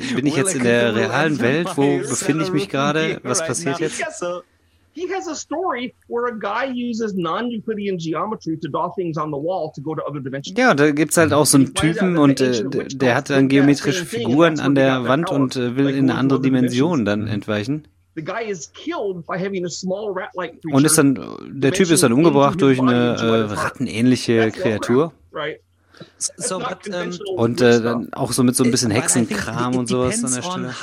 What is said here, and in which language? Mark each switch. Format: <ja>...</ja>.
<de>Bin ich jetzt in der realen Welt? Wo befinde ich mich gerade? Was passiert jetzt?</de> <en>He has a story where a guy uses non-Euclidean geometry to draw things on the wall to go to other dimensions. Ja, da gibt's halt auch so einen Typen und der hat dann geometrische Figuren an der Wand und will in eine andere Dimension dann entweichen. The guy is killed by having a small rat-like creature.</en> <de>Und ist dann der Typ ist dann umgebracht durch eine rattenähnliche Kreatur.</de> <en>Right. So, but,</en> <de>und dann auch so mit so ein bisschen Hexenkram und sowas an der Stelle.</de>